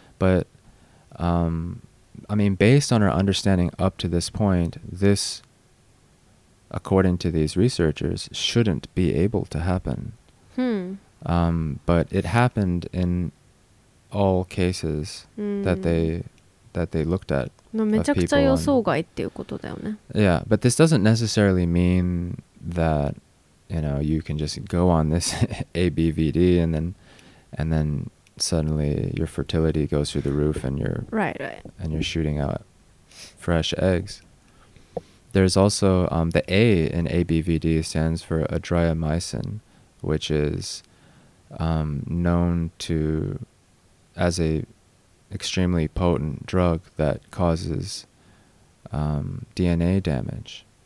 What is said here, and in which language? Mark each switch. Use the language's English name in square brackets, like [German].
[English] But, I mean, based on our understanding up to this point, this, according to these researchers, shouldn't be able to happen. But it happened in all cases that they looked at. [Japanese] めちゃくちゃ予想外っていうことだよね。 [English] Yeah, but this doesn't necessarily mean that, you know, you can just go on this ABVD and then suddenly your fertility goes through the roof and you're right. And you're shooting out fresh eggs. There's also the A in ABVD stands for adriamycin, which is known to as aExtremely potent drug that causes DNA damage.